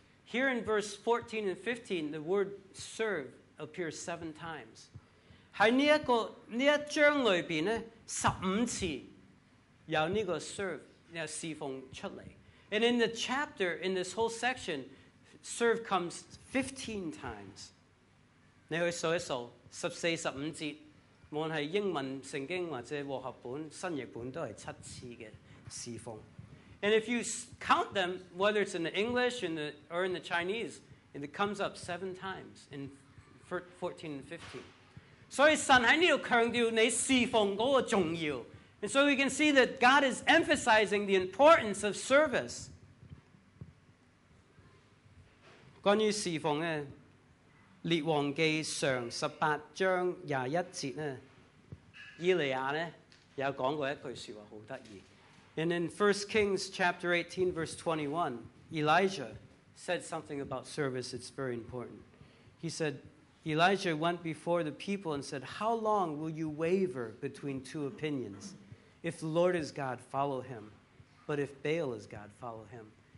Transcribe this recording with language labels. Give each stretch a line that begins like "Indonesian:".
English: Here in verse 14 and 15, the word serve appears 7 times.
Chinese: 在这一章里面,15次有这个serve,侍奉出来。
English: And in the chapter, in this whole section, serve comes 15 times.
Chinese: 你可以数一数,14、15节,无论是英文圣经或者和合本,新译本都是7次的侍奉。
English: And if you count them, whether it's in the English or in the Chinese, it comes up 7 times in 14 and 15. And so we can see that God is emphasizing the importance of service.
Chinese: 关于侍奉呢,列王记上18章21节呢,伊利亚呢,有讲过一句说话很得意。
English: And in 1 Kings chapter 18, verse 21, Elijah said something about service. It's very important. He said, Elijah went before the people and said, how long will you waver between two opinions? If the Lord is God, follow him. But if Baal is God, follow him.